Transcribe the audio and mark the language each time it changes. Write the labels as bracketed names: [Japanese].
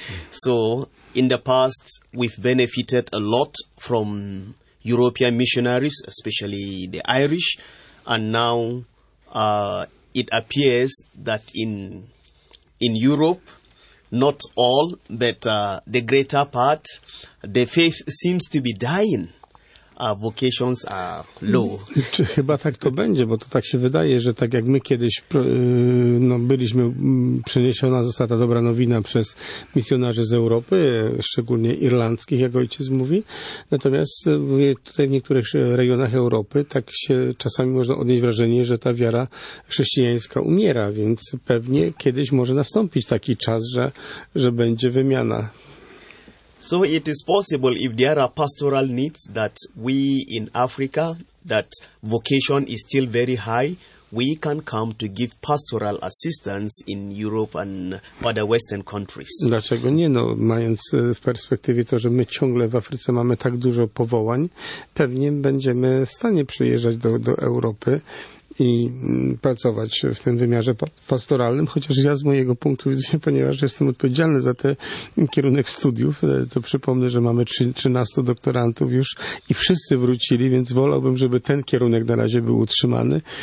[English] So in the past, we've benefited a lot from European missionaries, especially the Irish. And now it appears that in Europe, not all, but the greater part, the faith seems to be dying. Vocations are low. [Polish] Czy chyba tak to będzie, bo to tak się wydaje, że tak jak my kiedyś byliśmy, przeniesiona została ta dobra nowina przez misjonarzy z Europy, szczególnie irlandzkich, jak ojciec mówi. Natomiast tutaj w niektórych rejonach Europy tak się czasami można odnieść wrażenie, że ta wiara chrześcijańska umiera, więc pewnie kiedyś może nastąpić taki czas, że będzie wymiana. [English] So it is possible if there are pastoral needs that we in Africa, that vocation is still very high, we can come to give pastoral assistance in Europe and other Western countries. [Polish] Dlaczego nie? No, mając w perspektywie to, że my ciągle w Afryce mamy tak dużo powołań, pewnie będziemy w stanie przyjeżdżać do Europy i pracować w tym wymiarze pastoralnym, chociaż ja z mojego punktu widzenia, ponieważ jestem odpowiedzialny za ten kierunek studiów, to przypomnę, że mamy 13 doktorantów już i wszyscy wrócili, więc wolałbym, żeby ten kierunek na razie był utrzymany,